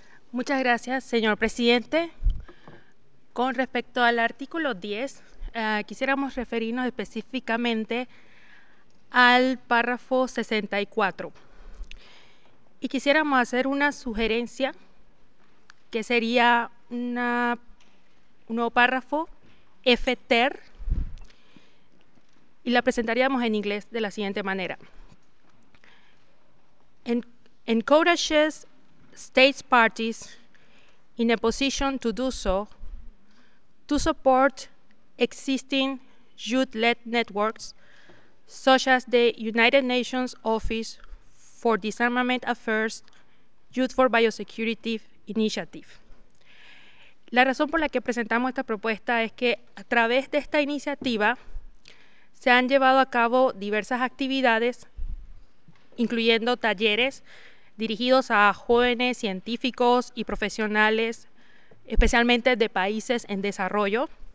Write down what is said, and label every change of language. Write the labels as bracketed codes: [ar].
[es] Muchas gracias, señor presidente. Con respecto al artículo 10, quisiéramos referirnos específicamente al párrafo 64. Y quisiéramos hacer una sugerencia, que sería un nuevo párrafo, FTER, y la presentaríamos en inglés de la siguiente manera. [en] Encourages states parties in a position to do so to support existing youth-led networks such as the United Nations Office for Disarmament Affairs Youth for Biosecurity Initiative. [es] La razón por la que presentamos esta propuesta es que a través de esta iniciativa se han llevado a cabo diversas actividades, incluyendo talleres dirigidos a jóvenes científicos y profesionales, especialmente de países en desarrollo,